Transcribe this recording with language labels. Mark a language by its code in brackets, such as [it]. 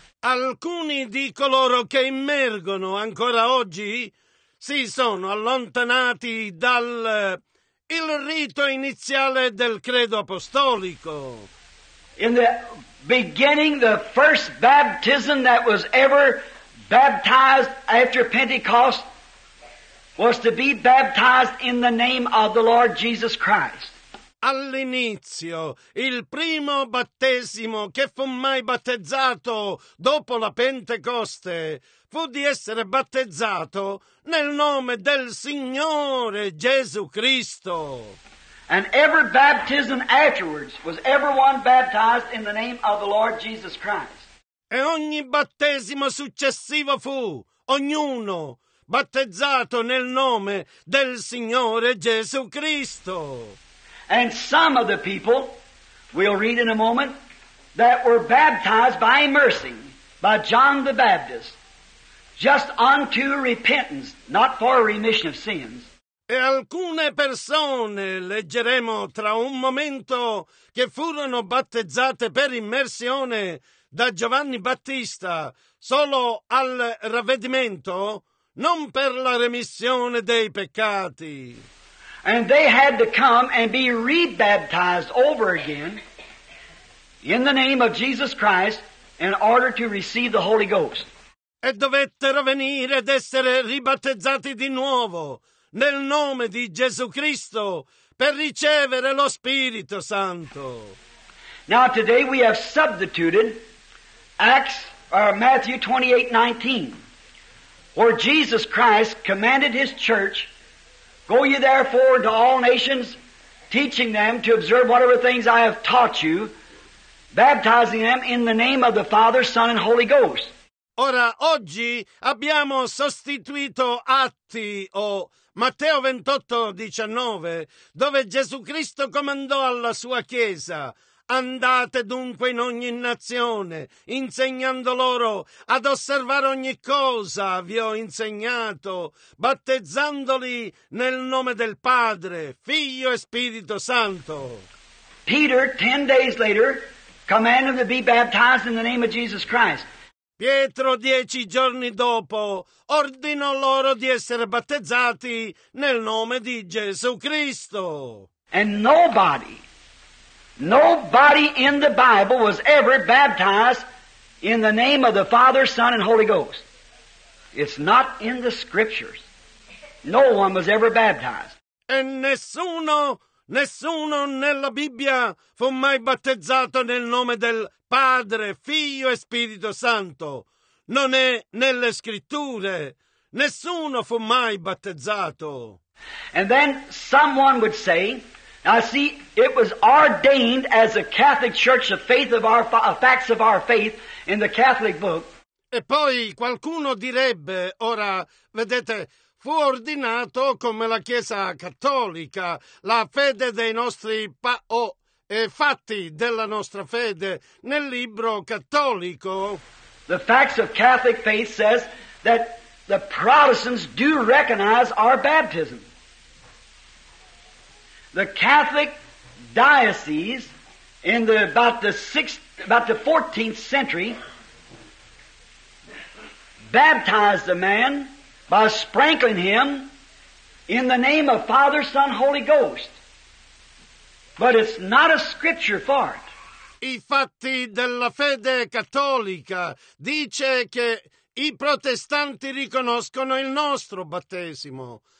[it] Alcuni di coloro che immergono ancora oggi si sono allontanati dal il rito iniziale del credo apostolico. [en] In the beginning, the first baptism that was ever baptized after Pentecost was to be baptized in the name of the Lord Jesus Christ. [it] All'inizio, il primo battesimo che fu mai battezzato dopo la Pentecoste fu di essere battezzato nel nome del Signore Gesù Cristo. [en] And every baptism afterwards was everyone baptized in the name of the Lord Jesus Christ. [it] E ogni battesimo successivo fu ognuno battezzato nel nome del Signore Gesù Cristo. [en] And some of the people, we'll read in a moment, that were baptized by immersing, by John the Baptist, just unto repentance, not for remission of sins. [it] E alcune persone, leggeremo tra un momento, che furono battezzate per immersione da Giovanni Battista, solo al ravvedimento, non per la remissione dei peccati. [en] And they had to come and be rebaptized over again in the name of Jesus Christ in order to receive the Holy Ghost. [it] E dovettero venire ed essere ribattezzati di nuovo nel nome di Gesù Cristo per ricevere lo Spirito Santo. [en] Now today we have substituted Matthew 28:19, where Jesus Christ commanded his church, "Go ye therefore into all nations, teaching them to observe whatever things I have taught you, baptizing them in the name of the Father, Son, and Holy Ghost." [it] Ora, oggi abbiamo sostituito Atti o Matteo 28:19, dove Gesù Cristo comandò alla sua Chiesa: "Andate dunque in ogni nazione, insegnando loro ad osservare ogni cosa vi ho insegnato, battezzandoli nel nome del Padre, Figlio e Spirito Santo." [en] Peter, 10 days later, commanded them to be baptized in the name of Jesus Christ. [it] Pietro, 10 giorni dopo, ordinò loro di essere battezzati nel nome di Gesù Cristo. [en] And nobody in the Bible was ever baptized in the name of the Father, Son, and Holy Ghost. It's not in the Scriptures. No one was ever baptized. [it] E nessuno nella Bibbia fu mai battezzato nel nome del Padre, Figlio e Spirito Santo. Non è nelle Scritture. Nessuno fu mai battezzato. [en] And then someone would say Now see, it was ordained as a Catholic Church, the faith of our facts of our faith in the Catholic book. [it] E poi qualcuno direbbe, ora vedete, fu ordinato come la Chiesa Cattolica, la fede dei nostri fatti della nostra fede nel libro cattolico. [en] The facts of Catholic faith says that the Protestants do recognize our baptism. The Catholic diocese in the about the 14th century baptized a man by sprinkling him in the name of Father, Son, Holy Ghost. But it's not a scripture for it. [it] I fatti della fede cattolica dice che i protestanti riconoscono il nostro battesimo.